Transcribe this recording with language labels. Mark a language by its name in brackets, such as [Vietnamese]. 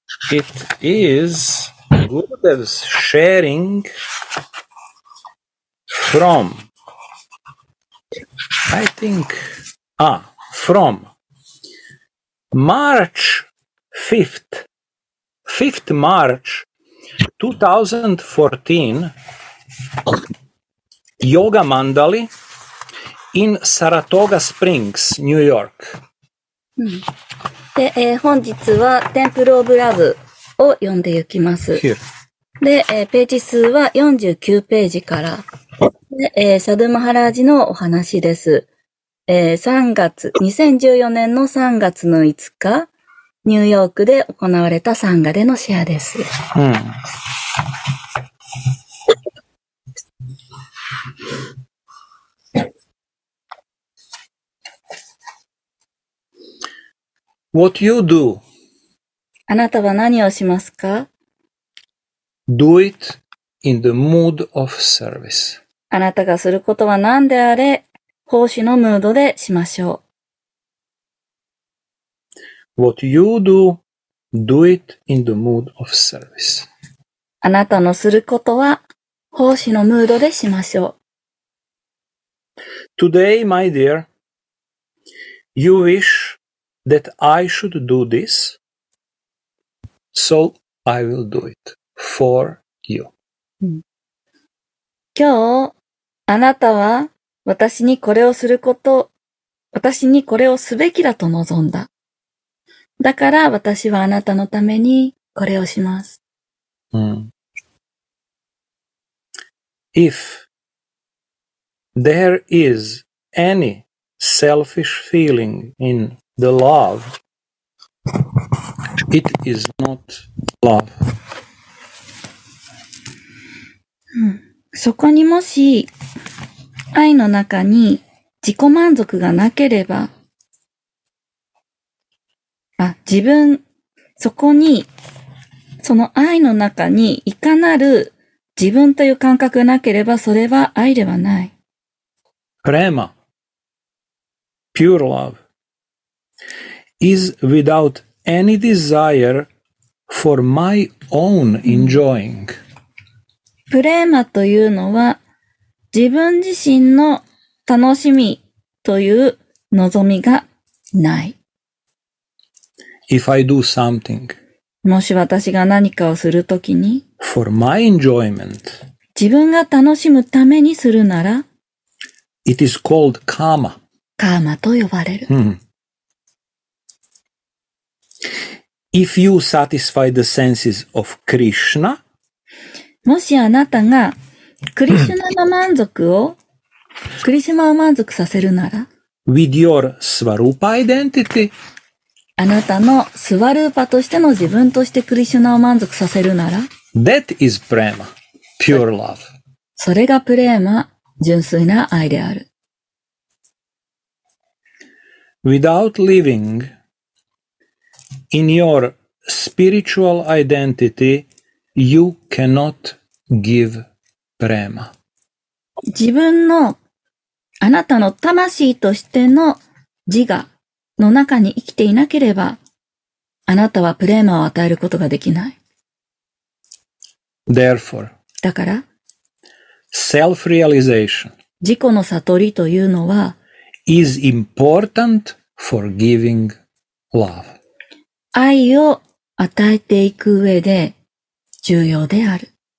[English] It is Gurudev's sharing from, I think, from March 5th, 5th March 2014, Yoga Mandali in Saratoga Springs, New York. [Japanese] で、本日はテンプルオブラブを読んでいきます。で、ページ数は49ページから。で、サドゥ・マハラージのお話です。 2014年の3月の5日、ニューヨークで行われたサンガでのシェアです。 [English] What you do? [Japanese] あなたは何をしますか? [English] Do it in the mood of service. [Japanese] あなたがすることは何であれ、奉仕のムードでしましょう。 [English] What you do, do it in the mood of service. [Japanese] あなたのすることは奉仕のムードでしましょう。 [English] Today, my dear, you wishthat I should do this, so I will do it for you. [Japanese] 今日、あなたは私にこれをすること、私にこれをすべきだと望んだ。だから私はあなたのためにこれをします。 [English] If there is any selfish feeling inThe love, it is not love. [Japanese] そこにもし愛の中に自己満足がなければ、自分、そこに、その愛の中にいかなる自分という感覚がなければ、それは愛ではない。 [English] Prema, pure love. Is without any desire for my own enjoying. [Japanese] プレーマというのは自分自身の楽しみという望みがない。 [English] If I do something, [Japanese] もし私が何かをするときに [English] for my enjoyment, [Japanese] 自分が楽しむためにするなら [English] it is called karma. [Japanese] カーマと呼ばれる。 [English] If you satisfy the senses of Krishna, [Japanese] もしあなたがクリシュナの満足をクリシュナを満足させるなら [English] with your Svarupa identity, [Japanese] あなたのスワルーパとしての自分としてクリシュナを満足させるなら [English] that is prema, pure love. [Japanese] それがプレーマ、純粋な愛である。 [English] Without living,In your spiritual identity, you cannot give prema. [Japanese] 自分のあなたの魂としての自我の中に生きていなければ、あなたはプレーマを与えることができない。 [English] Therefore, [Japanese] だから、 [English] self-realization [Japanese] 自己の悟りというのは、 [English] is important for giving love. [Japanese] 愛を与えていく上で重要である。